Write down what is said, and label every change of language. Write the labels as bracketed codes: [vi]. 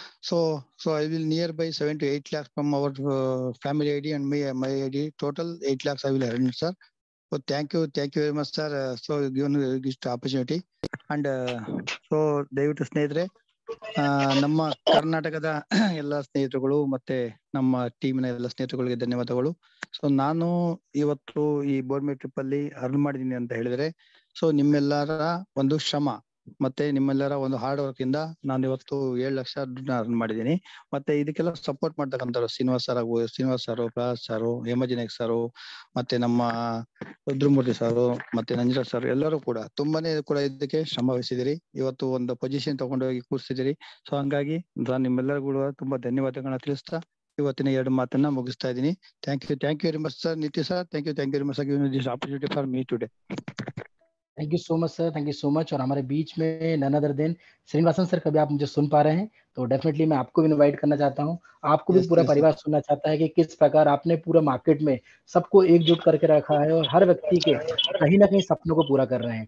[en] So I will nearby 7 to 8 lakhs from our family ID and my ID, total 8 lakhs I will earn, sir. So thank you very much, sir. So you given this opportunity. [kn] And so ದಯವಿಟ್ಟು ಸ್ನೇಹಿತರೆ, ನಮ್ಮ ಕರ್ನಾಟಕದ ಎಲ್ಲ ಸ್ನೇಹಿತರುಗಳು ಮತ್ತೆ ನಮ್ಮ ಟೀಮಿನ ಎಲ್ಲ ಸ್ನೇಹಿತರುಗಳಿಗೆ ಧನ್ಯವಾದಗಳು. So ನಾನು ಇವತ್ತು ಈ ಬೋರ್ಮೆ ಟ್ರಿಪ್ ಅಲ್ಲಿ ಅರ್ನ್ ಮಾಡಿದ್ದೀನಿ ಅಂತ ಹೇಳಿದ್ರೆ, ಸೊ ನಿಮ್ಮೆಲ್ಲರ ಒಂದು ಶ್ರಮ ಮತ್ತೆ ನಿಮ್ಮೆಲ್ಲರ ಒಂದು ಹಾರ್ಡ್ ವರ್ಕ್ ಇಂದ ನಾನು ಇವತ್ತು 7 ಲಕ್ಷ ದುಡ್ಡು ಅರ್ನ್ ಮಾಡಿದ್ದೀನಿ. ಮತ್ತೆ ಇದಕ್ಕೆಲ್ಲ ಸಪೋರ್ಟ್ ಮಾಡ್ತಕ್ಕಂಥವ್ರು ಶ್ರೀನಿವಾಸ್ ಸರ್ ಪ್ರಸಾದ್ ಸರು, ಹೇಮಜಿನೇಕ್ ಸರು, ಮತ್ತೆ ನಮ್ಮ ರುದ್ರಮೂರ್ತಿ ಸರು, ಮತ್ತೆ ನಂಜರ ಸರ್, ಎಲ್ಲರೂ ಕೂಡ ತುಂಬಾನೇ ಕೂಡ ಇದಕ್ಕೆ ಶ್ರಮ ವಹಿಸಿದಿರಿ, ಇವತ್ತು ಒಂದು ಪೊಸಿಷನ್ ತಗೊಂಡೋಗಿ ಕೂರಿಸಿದಿರಿ. ಸೊ ಹಂಗಾಗಿ ನಾನು ನಿಮ್ಮೆಲ್ಲರಿಗೂ ತುಂಬಾ ಧನ್ಯವಾದಗಳನ್ನ ತಿಳಿಸ್ತಾ ಇವತ್ತಿನ 2 ಮಾತನ್ನ ಮುಗಿಸ್ತಾ ಇದ್ದೀನಿ. [en] Thank you very much sir, Nitya sir, thank you very much giving this opportunity for me today. Thank you so much sir, thank you so much. [hi] और हमारे बीच में none other than Srinivasan sir, कभी आप मुझे सुन पा रहे हैं तो डेफिनेटली मैं आपको भी इनवाइट करना चाहता हूं, आपको भी पूरा परिवार सुनना चाहता है कि किस प्रकार आपने पूरे मार्केट में सबको एकजुट करके रखा है और हर व्यक्ति के कहीं ना कहीं सपनों को पूरा कर रहे हैं।